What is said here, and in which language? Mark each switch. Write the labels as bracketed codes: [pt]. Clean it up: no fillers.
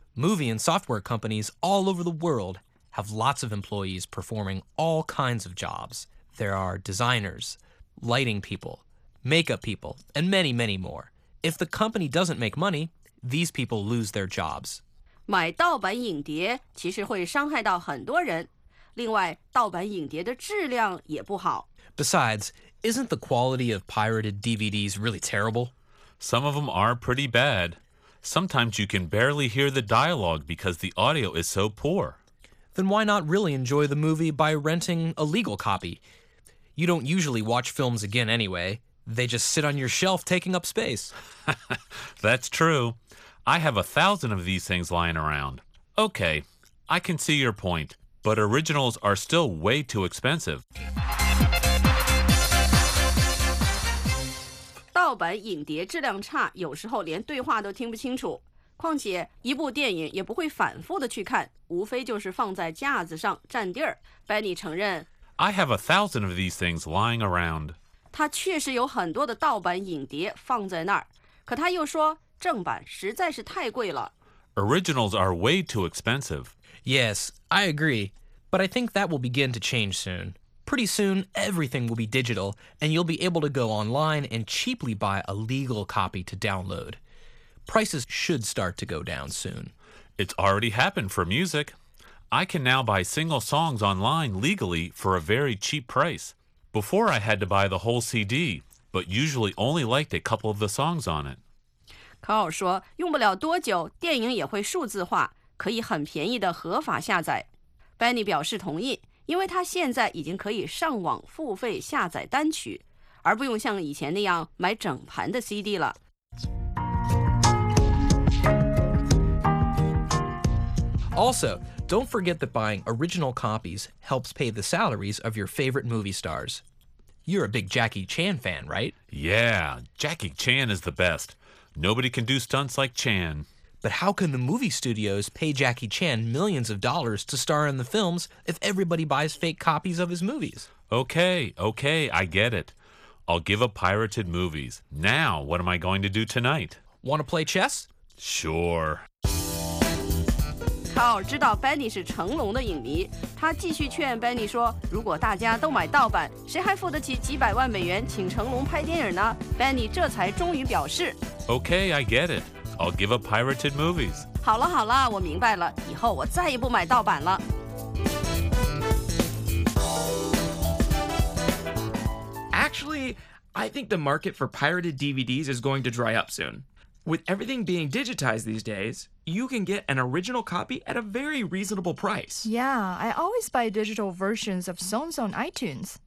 [en] Movie and software companies all over the world have lots of employees performing all kinds of jobs. There are designers, lighting people,makeup people, and many, many more. If the company doesn't make money, these people lose their jobs. [zh] 买盗版影碟其实会伤害到很多人。另外，盗版影碟的质量也不好。 [en] Besides, isn't the quality of pirated DVDs really terrible? Some of them are pretty bad. Sometimes you can barely hear the dialogue because the audio is so poor. Then why not really enjoy the movie by renting a legal copy? You don't usually watch films again anyway. They just sit on your shelf taking up space. That's true. I have 1,000 of these things lying around. Okay, I can see your point, but originals are still way too expensive. [zh] 盗版影碟质量差，有时候连对话都听不清楚。况且一部电影也不会反复的去看，无非就是放在架子上占地儿。 Benny 承认 [en] I have 1,000 of these things lying around. [zh] 他确实有很多的盗版影碟放在那儿，可他又说正版实在是太贵了。 [en] Originals are way too expensive. Yes, I agree, but I think that will begin to change soon. Pretty soon, everything will be digital, and you'll be able to go online and cheaply buy a legal copy to download. Prices should start to go down soon. It's already happened for music. I can now buy single songs online legally for a very cheap price. Before I had to buy the whole CD, but usually only liked a couple of the songs on it. [zh] Carl 说，用不了多久，电影也会数字化，可以很便宜的合法下载。Benny 表示同意，因为他现在已经可以上网付费下载单曲，而不用像以前那样买整盘的 CD 了。 [en] Also, don't forget that buying original copies helps pay the salaries of your favorite movie stars. You're a big Jackie Chan fan, right? Yeah, Jackie Chan is the best. Nobody can do stunts like Chan. But how can the movie studios pay Jackie Chan millions of dollars to star in the films if everybody buys fake copies of his movies? Okay, I get it. I'll give up pirated movies. Now, what am I going to do tonight? Want to play chess? Sure. [zh] Carl 知道 Benny 是成龙的影迷，他继续劝 Benny 说，如果大家都买盗版，谁还付得起几百万美元请成龙拍电影呢？ Benny 这才终于表示 [en] Okay, I get it. I'll give up pirated movies. [zh] 好了，我明白了，以后我再也不买盗版了。 [en] Actually, I think the market for pirated DVDs is going to dry up soon. With everything being digitized these days, you can get an original copy at a very reasonable price. Yeah, I always buy digital versions of songs on iTunes.